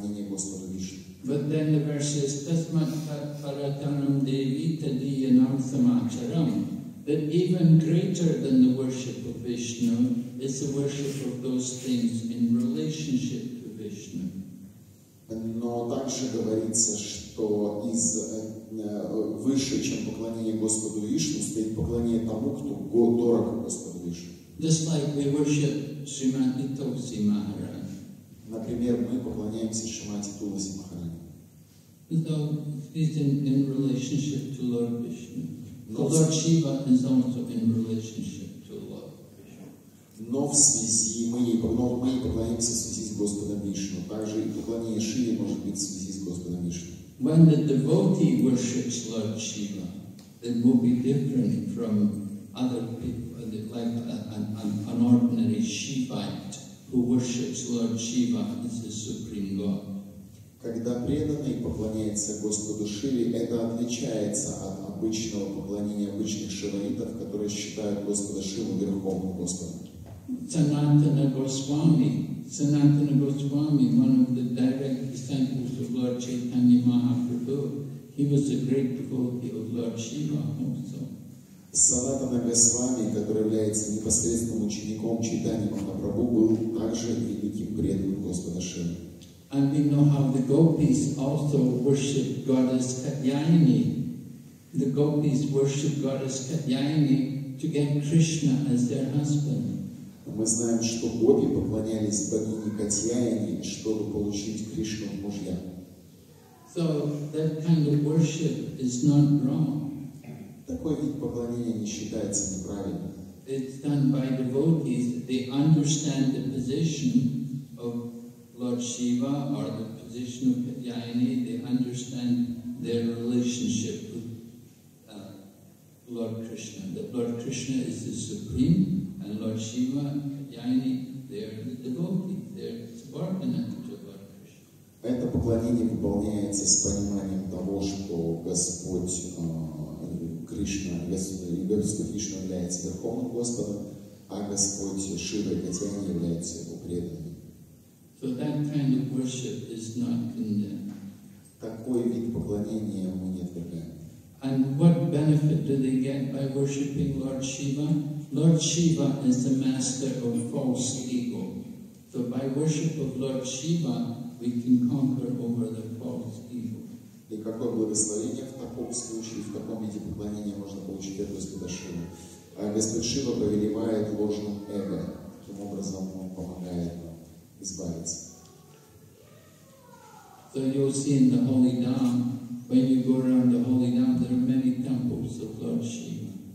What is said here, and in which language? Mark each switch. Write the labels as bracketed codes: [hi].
[en] But then the verse says, Tasmat Paratanam Devi Tadiyanam Samacharam, that even greater than the worship of Vishnu is the worship of those things in relationship to Vishnu. [ru] Но также говорится, что из выше, чем поклонение Господу Вишну, стоит поклонение тому, кто дорог Господу Вишну. [en] Just like we worship Shrimati Tulsi Maharani. [ru] Например, мы поклоняемся Шримати Тулси Махарани. [en] So he's in relationship to Lord Vishnu. [ru] Но [en] Lord Shiva is also in relationship to Lord Vishnu. [ru] Но в связи мы поклоняемся в связи с Господом Вишну. Также и поклонение Шиве может быть в связи с Господом Вишну. [en] When the devotee worships Lord Shiva, it will be different from other people, like an ordinary Shivite who worships Lord Shiva as the Supreme God. [ru] Когда преданный поклоняется Господу Шиве, это отличается от обычного поклонения обычных шиваитов, которые считают Господа Шиву Верховным Господом. [en] Sanatana Goswami, one of the direct disciples of Lord Chaitanya Mahaprabhu, he was a great devotee of Lord Shiva also. [ru] Sanatana Goswami, который является непосредственным учеником Чайтаньи Махапрабху, был также великим преданным Господа Шивы. [en] And we know how the gopis also worship Goddess Katyayani. The gopis worship Goddess Katyayani to get Krishna as their husband. [ru] Мы знаем, что боги поклонялись богине Катьяйане, чтобы получить Кришну в мужья. [en] So that kind of worship is not wrong. [ru] Такой вид поклонения не считается неправильным. [en] It's done by devotees. They understand the position of Lord Shiva or the position of Katyayani. They understand their relationship with Lord Krishna. That Lord Krishna is the supreme. And Lord Shiva, Katyayani, they are the devotees, they are subordinate to Lord Krishna. [ru] Это поклонение выполняется с пониманием того, что Господь Кришна, Господь Кришна является Верховным Господом, а Господь Шива и Катьяни являются Его преданными. [en] So that kind of worship is not condemned. [ru] Такой вид поклонения мы не отвергаем. [en] And what benefit do they get by worshipping Lord Shiva? Lord Shiva is the master of false ego. So by worship of Lord Shiva, we can conquer over the false ego. [ru] И какое благословение в таком случае, в каком виде поклонения можно получить от Господа Шивы? А Господь Шива повелевает ложным эго. Таким образом, Он помогает нам избавиться. [en] So you'll see in the Holy Dham, when you go around the Holy Dham, there are many temples of Lord Shiva.